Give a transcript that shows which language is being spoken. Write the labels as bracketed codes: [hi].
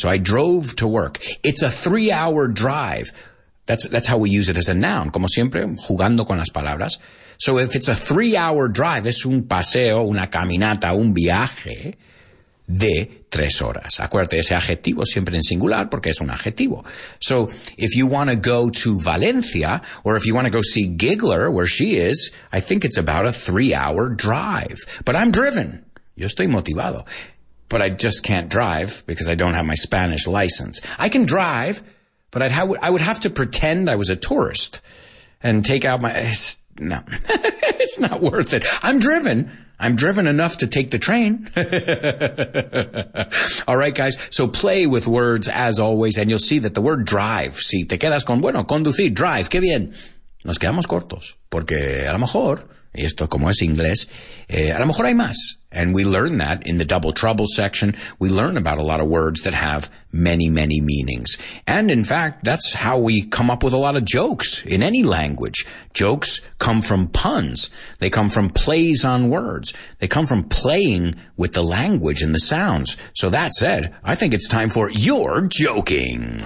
[en] So I drove to work. It's a 3-hour drive. That's how we use it as a noun, [es] como siempre, jugando con las palabras. [en] So if it's a 3-hour drive, [es] es un paseo, una caminata, un viaje de 3 horas. Acuérdate, ese adjetivo siempre en singular porque es un adjetivo. [en] So, if you want to go to Valencia, or if you want to go see Giggler, where she is, I think it's about a 3-hour drive. But I'm driven. [es] Yo estoy motivado. [en] but I just can't drive because I don't have my Spanish license. I can drive, but I would have to pretend I was a tourist and take out my... No, it's not worth it. I'm driven enough to take the train. All right, guys. So play with words as always, and you'll see that the word drive, [es] si te quedas con, bueno, conducir, drive, qué bien. Nos quedamos cortos, porque a lo mejor, y esto como es inglés, a lo mejor hay más. [en] And we learn that in the Double Trouble section. We learn about a lot of words that have many, many meanings. And in fact, that's how we come up with a lot of jokes in any language. Jokes come from puns. They come from plays on words. They come from playing with the language and the sounds. So that said, I think it's time for your joking.